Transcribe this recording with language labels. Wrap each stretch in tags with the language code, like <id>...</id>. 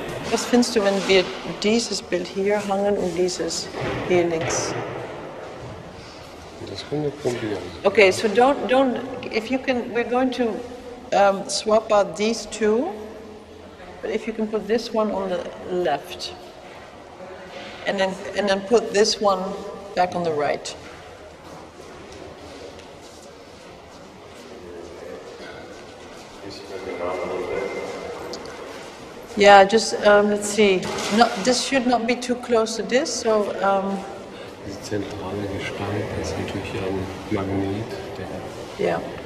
<de>Was findest du, wenn wir dieses Bild hier hängen und dieses hier links? Das können wir probieren.</de> <en>Okay, so don't, if you can, we're going to swap out these two, but if you can put this one on the left, and then put this one back on the right. Yeah, just let's see. No, this should not be too close to this. So.</en> <de>Diese zentrale Gestalt, das ist natürlich ein Magnet, der.</de>